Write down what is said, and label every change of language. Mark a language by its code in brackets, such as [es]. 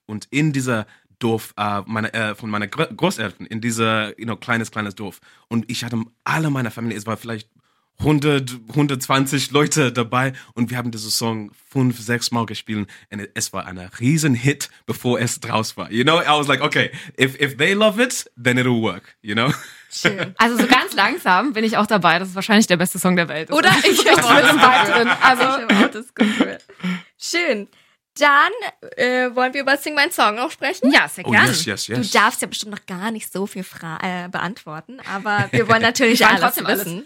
[de] Und in dieser Dorf, von meiner Großeltern, in dieser, [en] you know, [de] kleines Dorf. Und ich hatte alle meine Familie, es war vielleicht 120 Leute dabei und wir haben diesen Song 5-6 Mal gespielt und es war ein Riesenhit, bevor es draus war. [en] You know, I was like, okay, if they love it, then it'll work, you know? [de] Schön. Also so ganz langsam bin ich auch dabei, das ist wahrscheinlich der beste Song der Welt. Oder? Ich bin auch mit dem Ball drin. Also, das schön. Dann wollen wir über Sing My Song auch sprechen? Ja, sehr gerne. [en] Oh, yes. [de] Du darfst ja bestimmt noch gar nicht so viel beantworten, aber wir wollen natürlich alles wissen.